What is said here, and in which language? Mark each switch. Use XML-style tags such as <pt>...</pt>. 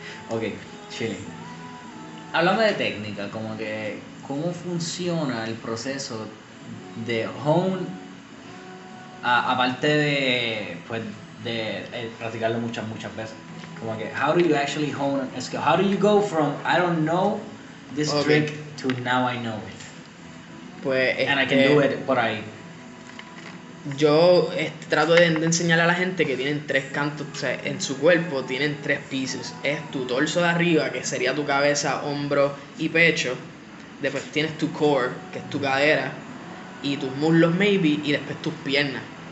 <es>Ok, chile. Háblame de técnica, como que cómo funciona el proceso de hone, aparte de, pues, de practicarlo muchas veces. Como que,</es> <en>how do you actually hone a skill? How do you go from I don't know this trick to now I know it?</en> <es>Pues,</es> <en>and I can do it</en> <es>por ahí. Yo trato de enseñar a la gente que tienen tres cantos, o sea, en su cuerpo tienen tres pieces. Es tu torso de arriba, que sería tu cabeza, hombro y pecho. Después tienes tu core, que es tu cadera, y tus muslos maybe, y después tus piernas.</es>